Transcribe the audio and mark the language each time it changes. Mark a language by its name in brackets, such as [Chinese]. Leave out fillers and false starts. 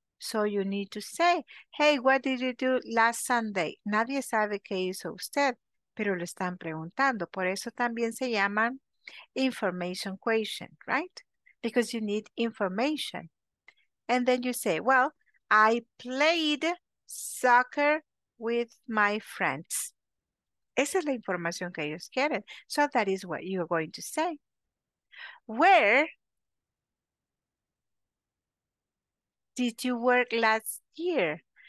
[English] So you need to say, hey, what did you do last Sunday? [Spanish] Nadie sabe qué hizo usted, pero lo están preguntando. Por eso también se llama information question, right? [English] Because you need information. And then you say, well, I played soccer with my friends. [Spanish] Esa es la información que ellos quieren. So that is what you're going to say. [English] Where did you work last year?